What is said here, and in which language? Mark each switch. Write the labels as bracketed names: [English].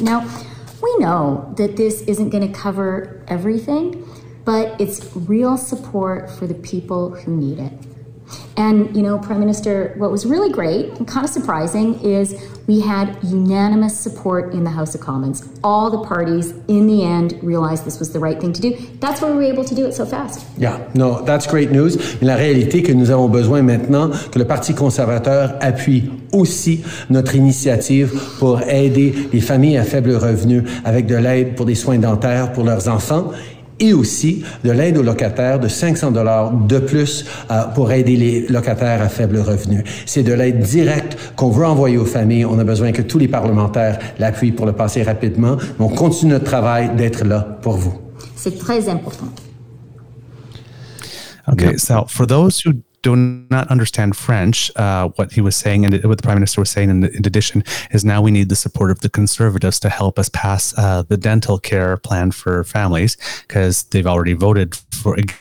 [English] Now, we know that this isn't going to cover everything, but it's real support for the people who need it. And, you know, Prime Minister, what was really great and kind of surprising is we had unanimous support in the House of Commons. All the parties, in the end, realized this was the right thing to do. That's why we were able to do it so fast. Yeah, no, that's great news. [French] Mais la réalité que nous avons besoin maintenant, que le Parti conservateur appuie aussi notre initiative pour aider les familles à faible revenu avec de l'aide pour des soins dentaires pour leurs enfants. Et aussi de l'aide aux locataires de $500 de plus pour aider les locataires à faible revenu. C'est de l'aide directe qu'on veut envoyer aux familles. On a besoin que tous les parlementaires l'appuient pour le passer rapidement. Mais on continue notre travail d'être là pour vous. C'est très important. [English] Okay, so for those who do not understand French, what he was saying and what the Prime Minister was saying in addition is now we need the support of the Conservatives to help us pass the dental care plan for families, because they've already voted for